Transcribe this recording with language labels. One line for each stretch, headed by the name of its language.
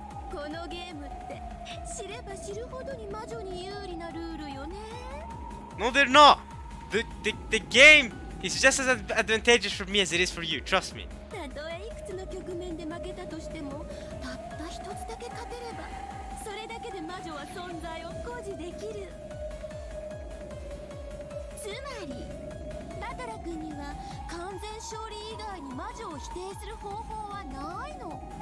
Japanese: この game って知れば知るほどに魔女に有利なルールよね。
English: No, they're not. The game is just as advantageous for me as it is for you. Trust me.
Japanese: たとえいくつの局面で負けたとしても、たった一つだけ勝てれば、それだけで魔女は存在を誇示できる。つまり、バトラ君には完全勝利以外に魔女を否定する方法はないの。